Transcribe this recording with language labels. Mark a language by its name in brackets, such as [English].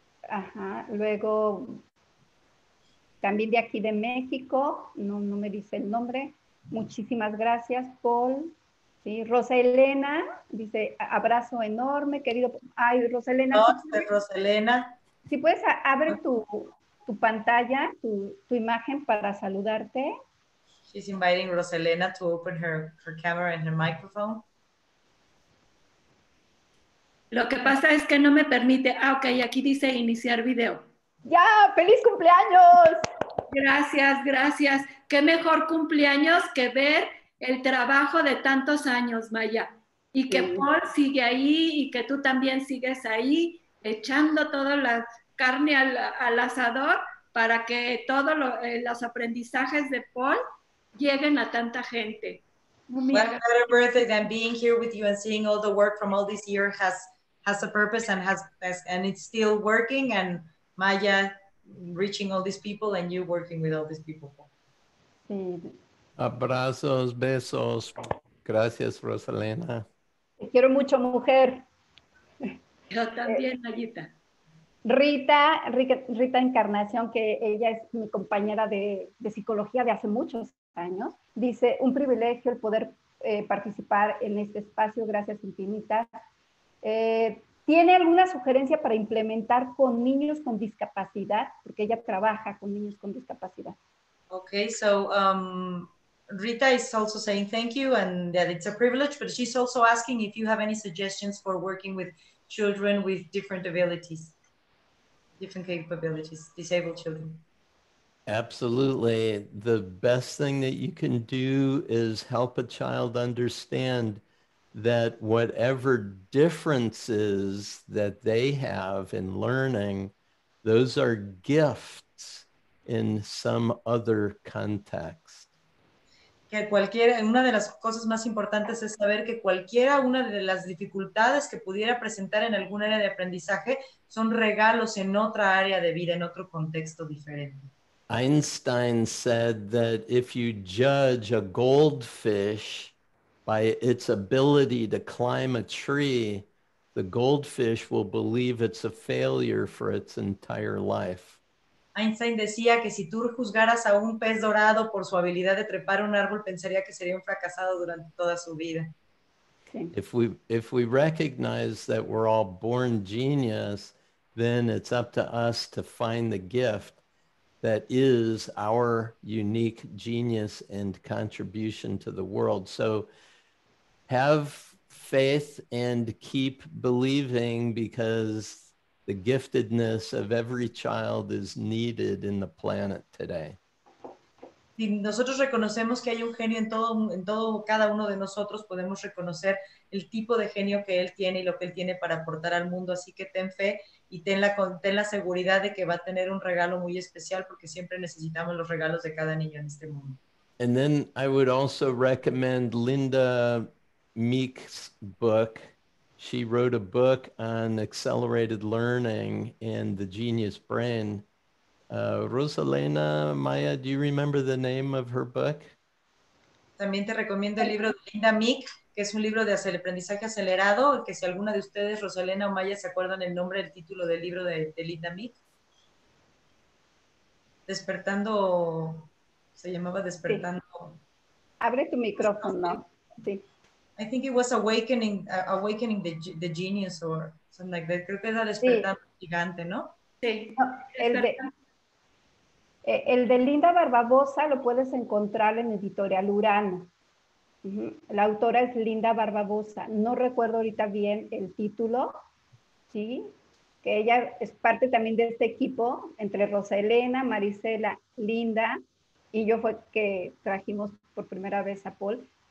[Spanish] Ajá, luego... También de aquí de México, no me dice el nombre. Muchísimas gracias, Paul. Sí, Rosa Elena dice, abrazo enorme, querido. Ay, Rosa Elena. No, ¿sí? Rosa Elena. Si puedes, abre tu pantalla, tu imagen para saludarte. [English] She's inviting Rosa Elena to open her camera and her microphone. [Spanish] Lo que pasa es que no me permite. Ah, ok, aquí dice iniciar video. ¡Ya! ¡Feliz cumpleaños! Gracias, gracias. Qué mejor cumpleaños que ver el trabajo de tantos años, Maya. Y que sí. Paul sigue ahí y que tú también sigues ahí echando toda la carne al asador para que todos los aprendizajes de Paul lleguen a tanta gente. [English] What better birthday than being here with you and seeing all the work from all this year has a purpose and has and it's still working and Maya reaching all these people and you working with all these people. [Spanish] Abrazos, besos. Gracias, Rosalena. Te quiero mucho, mujer. Yo también, Mayita. Rita Encarnación, que ella es mi compañera de psicología de hace muchos años, dice, un privilegio el poder participar en este espacio, gracias infinitas. ¿Tiene alguna sugerencia para implementar con niños con discapacidad? Porque ella trabaja con niños con discapacidad. [English] Okay, so Rita is also saying thank you and that it's a privilege, but she's also asking if you have any suggestions for working with children with different abilities. Different capabilities, disabled children. Absolutely. The best thing that you can do is help a child understand that whatever differences that they have in learning, those are gifts in some other context. [Spanish] Que cualquiera, una de las cosas más importantes es saber que cualquiera una de las dificultades que pudiera presentar en algún área de aprendizaje son regalos en otra área de vida, en otro contexto diferente. [English] Einstein said that if you judge a goldfish by its ability to climb a tree, the goldfish will believe it's a failure for its entire life. [Spanish] Einstein decía que si tú juzgaras a un pez dorado por su habilidad de trepar un árbol, pensaría que sería un fracasado durante toda su vida. Sí. [English] If we recognize that we're all born genius, then it's up to us to find the gift that is our unique genius and contribution to the world. So have faith and keep believing because the giftedness of every child is needed in the planet today. [Spanish] Si nosotros reconocemos que hay un genio en todo cada uno de nosotros, podemos reconocer el tipo de genio que él tiene y lo que él tiene para aportar al mundo, así que ten fe y ten la seguridad de que va a tener un regalo muy especial porque siempre necesitamos los regalos de cada niño en este mundo. [English] And then I would also recommend Linda Meek's book. She wrote a book on accelerated learning and the genius brain. Rosalena, Maya, do you remember the name of her book? [Spanish] También te recomiendo el libro de Linda Meek, que es un libro de aprendizaje acelerado, que si alguna de ustedes, Rosalena o Maya, se acuerdan el nombre, el título del libro de Linda Meek. Despertando, se llamaba Despertando. Sí. Abre tu micrófono, sí. [English] I think it was awakening the genius or something like that. [Spanish] Creo que era Despertando sí. Gigante, ¿no? Sí. No, el de Linda Barbabosa lo puedes encontrar en Editorial Urano. Uh-huh. La autora es Linda Barbabosa. No recuerdo ahorita bien el título, ¿sí? Que ella es parte también de este equipo entre Rosa Elena, Marisela, Linda y yo fue que trajimos por primera vez a Paul.